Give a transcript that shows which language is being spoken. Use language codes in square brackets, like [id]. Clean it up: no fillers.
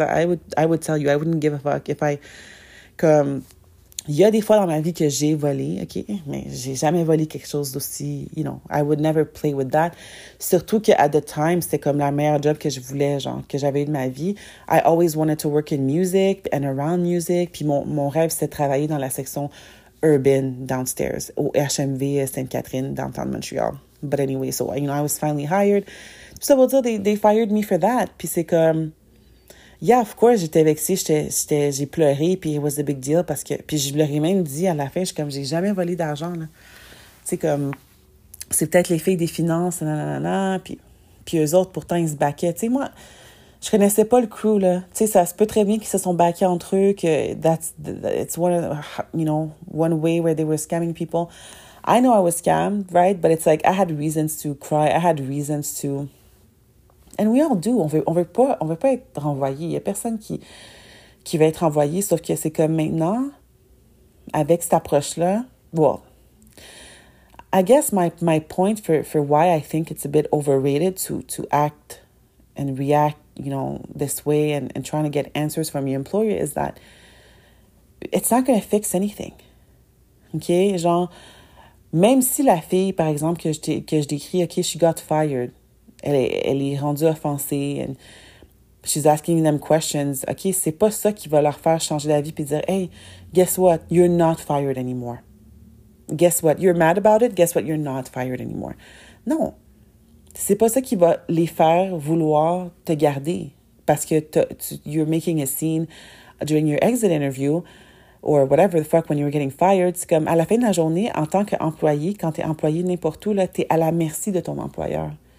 [en] I would tell you, I wouldn't give a fuck if I, [fr] comme, il y a des fois dans ma vie que j'ai volé, OK, mais j'ai jamais volé quelque chose d'aussi, [en] you know, I would never play with that. [fr] Surtout que [en] at the time, [fr] c'était comme la meilleure job que je voulais, genre, que j'avais eu de ma vie. [en] I always wanted to work in music and around music. [fr] Puis mon rêve, c'était de travailler dans la section urban downstairs, au HMV Sainte-Catherine, downtown Montreal. [en] But anyway, so, you know, I was finally hired. [fr] Ça veut dire, [en] they fired me for that. [fr] Puis c'est comme, [en] yeah, of course, [fr] j'étais vexée, j'ai pleuré, puis [en] it was a big deal [fr] parce que, puis je leur ai même dit à la fin, je suis comme, j'ai jamais volé d'argent, là. C'est comme, c'est peut-être les filles des finances, nanana, puis eux autres, pourtant, ils se baquaient. Tu sais, moi, je connaissais pas le crew, là. Tu sais, ça se peut très bien qu'ils se sont baqués entre eux, que [en] it's one, you know, one way where they were scamming people. I know I was scammed, right? But it's like, I had reasons to cry, I had reasons to. And we all do. [fr] On veut pas être renvoyé. Il y a personne qui va être renvoyé, sauf que c'est comme maintenant, avec cette approche-là. [en] Well, I guess my point for why I think it's a bit overrated to act and react, you know, this way and trying to get answers from your employer is that it's not going to fix anything. OK? [fr] Genre, même si la fille, par exemple, que je décris, OK, [en] she got fired. [fr] Elle est rendue offensée. [en] And she's asking them questions. [fr] OK, c'est pas ça qui va leur faire changer d'avis puis dire, [en] hey, guess what? You're not fired anymore. Guess what? You're mad about it. Guess what? You're not fired anymore. Non. [fr] C'est pas ça qui va les faire vouloir te garder. Parce que [en] you're making a scene during your exit interview or whatever the fuck when you were getting fired. [fr] C'est comme à la fin de la journée, en tant qu'employé, quand t'es employé n'importe où, là, t'es à la merci de ton employeur.